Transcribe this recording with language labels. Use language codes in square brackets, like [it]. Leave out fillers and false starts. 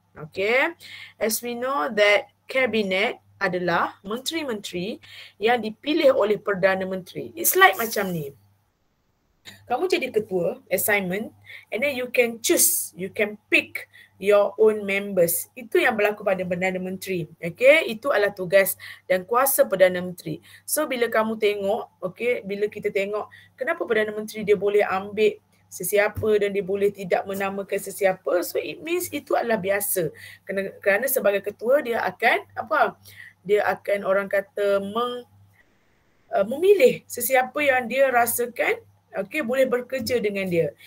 [en] Okay, as we know that [ms] Cabinet adalah menteri-menteri yang dipilih oleh Perdana Menteri. [en] It's like [ms] macam ni. Kamu jadi ketua, [en] assignment, and then you can choose, you can pick your own members. [ms] Itu yang berlaku pada Perdana Menteri. Okay, itu adalah tugas dan kuasa Perdana Menteri. So, bila kamu tengok, okay, bila kita tengok kenapa Perdana Menteri dia boleh ambil sesiapa dan dia boleh tidak menamakan sesiapa, [en] so it means [ms] itu adalah biasa. Kerana sebagai ketua, dia akan, apa, dia akan orang kata memilih sesiapa yang dia rasakan okay, boleh bekerja dengan dia.